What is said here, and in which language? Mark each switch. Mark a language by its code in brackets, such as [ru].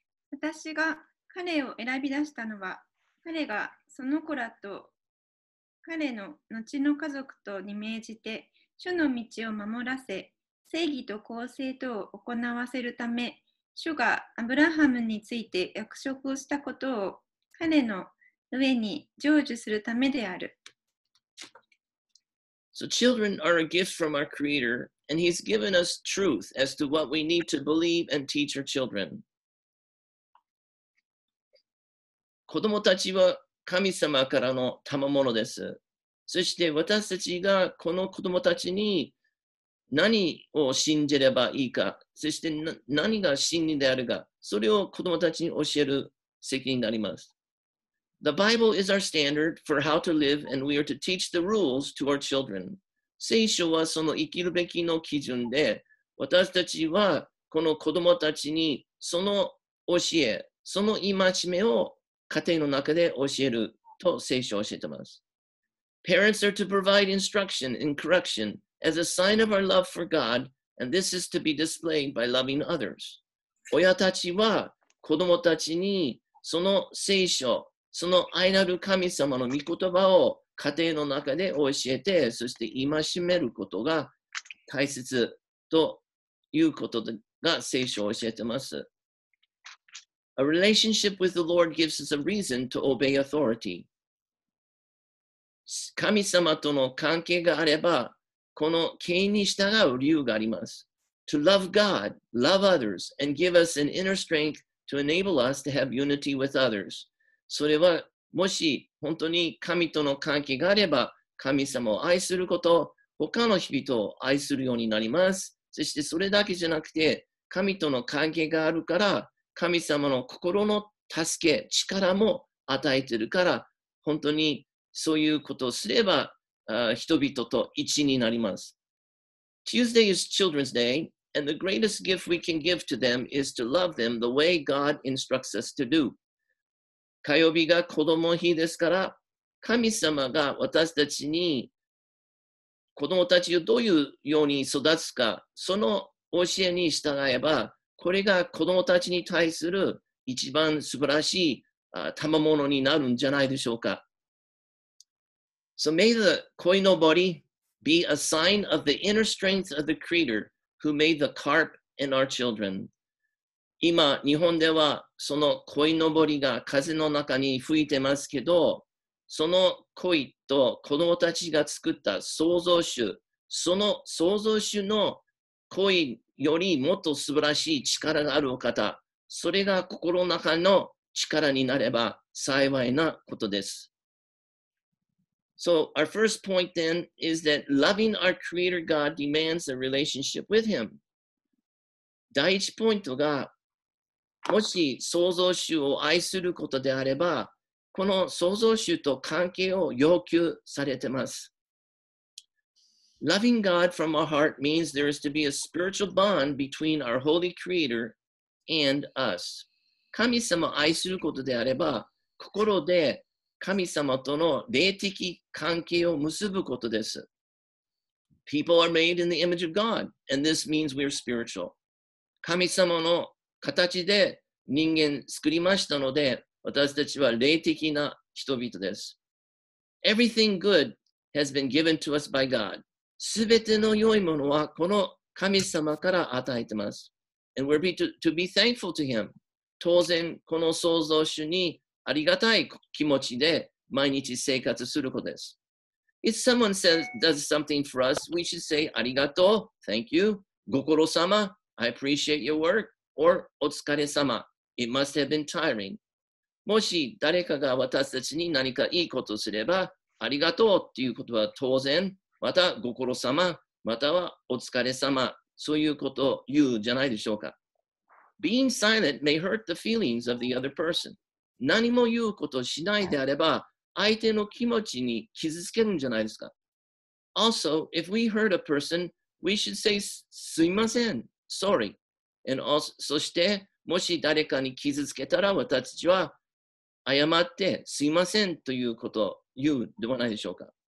[ja] 私が彼を選び出したのは、彼がその子らと彼の後の家族とに命じて、主の道を守らせ、正義と公正とを行わせるため、主がアブラハムについて約束をしたことを彼の上に成就するためである。 [en] So children are a gift from our Creator, and He's given us truth as to what we need to believe and teach our children. [ja] 子供たちは神様からの賜物です。そして私たちがこの子供たちに何を信じればいいか、そして何が真理であるか、それを子供たちに教える責任になります。 [en] The Bible is our standard for how to live, and we are to teach the rules to our children. [ja] 聖書はその生きるべきの基準で、私たちはこの子供たちにその教え、その戒めを家庭の中で教えると聖書教えています。 [en] Parents are to provide instruction and correction as a sign of our love for God, and this is to be displayed by loving others. [ja] 親たちは子供たちにその聖書、その愛なる神様の御言葉を家庭の中で教えて、そして戒めることが大切ということが聖書を教えています。 [en] A relationship with the Lord gives us a reason to obey authority. [ja] 神様との関係があれば、この権威に従う理由があります。 [en] To love God, love others, and give us an inner strength to enable us to have unity with others. [ja] それはもし本当に神との関係があれば神様を愛すること、他の人々を愛するようになります。そしてそれだけじゃなくて神との関係があるから神様の心の助け、力も与えているから本当にそういうことをすれば人々と一になります。 [en] Tuesday is Children's Day, and the greatest gift we can give to them is to love them the way God instructs us to do. [ja] 火曜日が子供日ですから、神様が私たちに子供たちをどういうように育つか、その教えに従えば、これが子供たちに対する一番素晴らしい賜物になるんじゃないでしょうか。 [en] So may the 鯉のぼり be a sign of the inner strength of the Creator who made the carp and our children. [ja] 今日本ではその鯉のぼりが風の中に吹いてますけど、その鯉と子供たちが作った創造主、その創造主の鯉よりもっと素晴らしい力があるお方、それが心の中の力になれば幸いなことです。 [en] So our first point then is that loving our Creator God demands a relationship with Him. [ja] 第一ポイントが、もし創造主を愛することであれば、この創造主と関係を要求されています。 [en] Loving God from our heart means there is to be a spiritual bond between our Holy Creator and us. [ja] 神様を愛することであれば、心で神様との霊的関係を結ぶことです。 [en] People are made in the image of God, and this means we are spiritual. [ja] 神様の形で人間作りましたので、私たちは霊的な人々です。 [en] Everything good has been given to us by God. [ja] すべての良いものはこの神様から与えています。 [en] And we're to be thankful to him. [ja] 当然、この創造主にありがたい気持ちで毎日生活することです。 [en] If someone says, does something for us, we should say, [ja] ありがとう、 [en] thank you, [ja] ご苦労様、 [en] I appreciate your work, or [ja] お疲れ様、 [en] it must have been tiring. [ja] もし誰かが私たちに何かいいことをすれば、ありがとうっていうことは当然、またご苦労様、またはお疲れ様、そういうことを言うじゃないでしょうか。 [en] Being silent may hurt the feelings of the other person. [ja] 何も言うことをしないであれば、相手の気持ちに傷つけるんじゃないですか。 [en] Also, if we hurt a person, we should say [ja] すいません、 [en] sorry. And also, [ja] そして、もし誰かに傷つけたら、私たちは謝ってすいませんということを言うではないでしょうか。